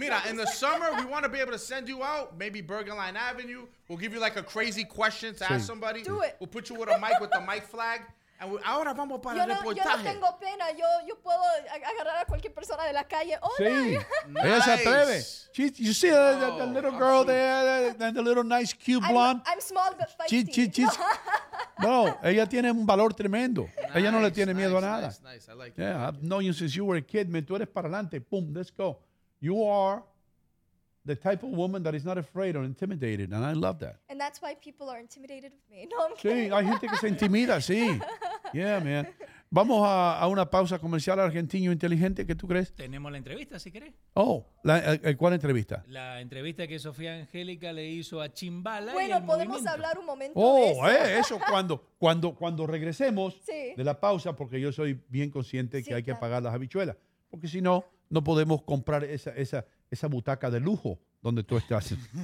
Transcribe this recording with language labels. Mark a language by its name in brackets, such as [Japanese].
[English] Mira, in the summer, we want to be able to send you out, maybe Bergenline Avenue. We'll give you like a crazy question to ask somebody. Do it. We'll put you with a mic with the mic flag. [Spanish] And ahora vamos para yo no, reportaje. Yo no tengo pena. Yo puedo agarrar a cualquier persona de la calle. Hola. Sí. Nice. Ella se atreve. [English] You see the little girl there, and the little nice cute blonde. I'm small but feisty. [Spanish] ella tiene un valor tremendo. [English] Nice, [Spanish] ella no le tiene miedo a nada. [English] Nice, I like it. I've known you since you were a kid, man. Tú eres para adelante. Boom, let's go. You are the type of woman that is not afraid or intimidated, and I love that. And that's why people are intimidated with me. No, I'm kidding. [Spanish] Sí, hay gente que se intimida, sí. Yeah, man. Vamos a una pausa comercial argentino inteligente, ¿qué tú crees? Tenemos la entrevista, si querés. Oh, ¿cuál entrevista? La entrevista que Sofía Angélica le hizo a Chimbala. Bueno, y el podemos movimiento. Hablar un momento eso cuando regresemos de la pausa, porque yo soy bien consciente que hay que pagar las habichuelas, porque si no, no podemos comprar esa butaca de lujo donde tú estás.